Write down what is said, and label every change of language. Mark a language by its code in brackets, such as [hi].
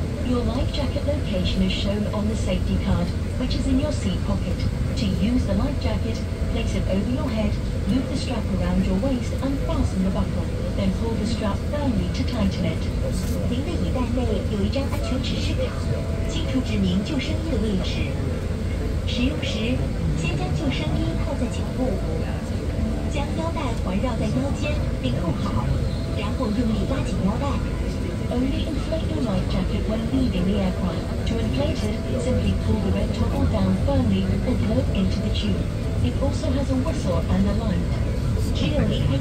[en] Your life jacket location is shown on the safety card, which is in your seat pocket. To use the life jacket, place it over your head, loop the strap around your waist, and fasten the buckle. Then pull the strap firmly to tighten it. [zh] 您的椅袋内有一张安全指示表，清楚指明救生衣的位置。使用时，先将救生衣扣在颈部，将腰带环绕在腰间并扣好，然后用力拉紧腰带。 [en] Only inflate your life jacket when leaving the aircraft. To inflate it, simply pull the red toggle down firmly or blow into the tube. It also has a whistle and a light.